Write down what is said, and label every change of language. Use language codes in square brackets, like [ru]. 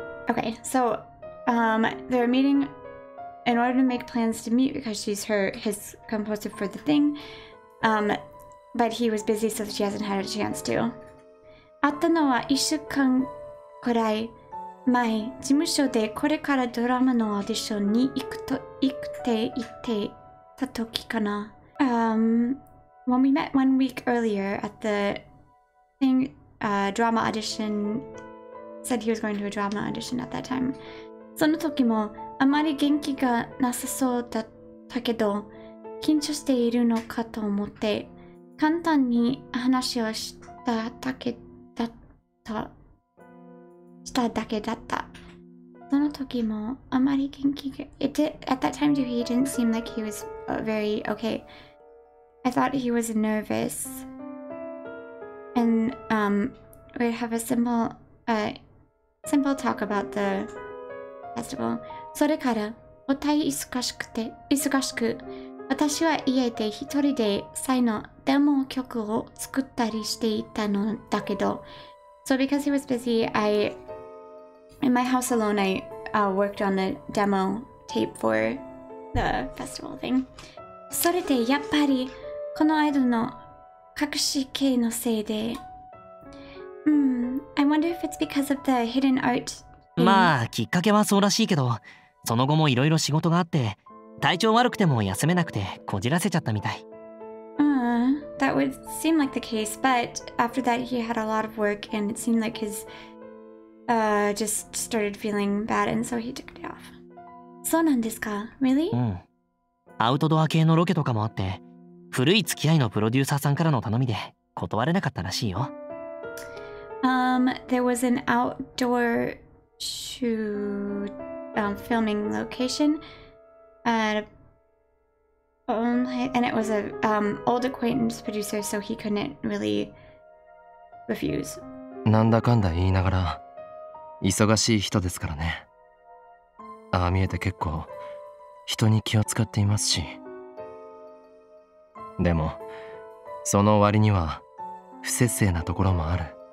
[en] Okay, so they're meeting in order to make plans to meet because she's his composer for the thing. But he was busy, so she hasn't had a chance to. [ja] あったのは一週間くらい前、事務所でこれからドラマのオーディションに行ってた時かな。 [en] When we met 1 week earlier at the thing, drama audition. Said he was going to a drama audition at that time. [ja] その時もあまり元気がなさそうだったけど、緊張しているのかと思って、簡単に話をしただけだった。その時もあまり元気が。 [en] At that time, he didn't seem like he was very okay. I thought he was nervous. And we'd have a simple talk about the festival. [ja] それから、お互い忙しく、私は家で一人で最のデモ曲を作ったりしていたのだけど。 [en] So because he was busy, in my house alone, I worked on a demo tape for the festival thing. [ja] それでやっぱり、この間の隠し系のせいで、 [en] I wonder if it's because of the hidden art. [ja] まあきっかけはそうらしいけど、その後もいろいろ仕事があって、体調悪くても休めなくてこじらせちゃったみたい。 [en] That would seem like the case, but after that he had a lot of work and it seemed like his just started feeling bad and so he took it off. [ja] そうなんですか? [en] Really? [ja] うん。アウトドア系のロケとかもあって、古い付き合いのプロデューサーさんからの頼みで断れなかったらしいよ。 [en] There was an outdoor shoot, filming location, and it was an old acquaintance producer, so he couldn't really refuse. [ja] なんだかんだ言いながら、忙しい人ですからね。ああ見えて結構、人に気を使っていますし。でも、その割には、不摂生なところもある。